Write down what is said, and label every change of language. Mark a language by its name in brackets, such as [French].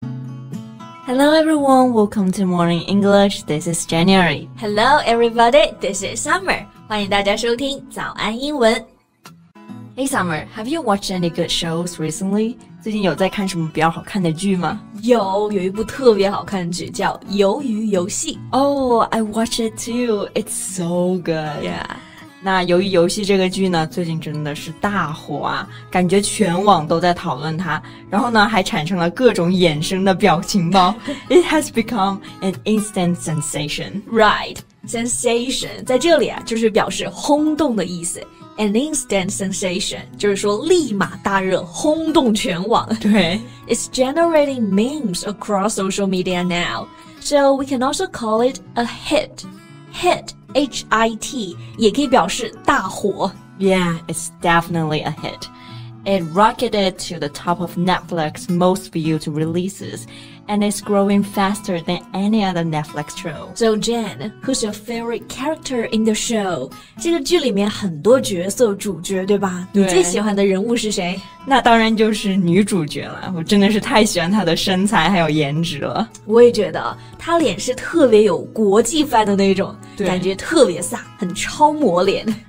[English] Hello everyone, welcome to Morning English, this is January. Hello everybody, this is Summer. [Chinese] 欢迎大家收听早安英文。 [English] Hey Summer, have you watched any good shows recently? [Chinese] 最近有在看什么比较好看的剧吗？有一部特别好看的剧叫《鱿鱼游戏》。 [English] Oh, I watched it too, it's so good. Yeah. [Chinese] 那由于游戏这个剧呢最近真的是大火啊，感觉全网都在讨论它，然后呢还产生了各种衍生的表情包。 [English] It has become an instant sensation. [Chinese] Right, sensation 在这里啊就是表示轰动的意思。 [English] An instant sensation [Chinese] 就是说立马大热，轰动全网。对。 [English] It's generating memes across social media now. So we can also call it a hit. Hit. [Chinese] H-I-T 也可以表示大火。 [English] Yeah, it's definitely a hit. It rocketed to the top of Netflix most viewed releases, and it's growing faster than any other Netflix show. So Jen, who's your favorite character in the show? [Chinese] 这个剧里面很多角色主角，对吧？对。你最喜欢的人物是谁？那当然就是女主角了，我真的是太喜欢她的身材还有颜值了。我也觉得她脸是特别有国际范的那种，感觉特别飒，很超模脸。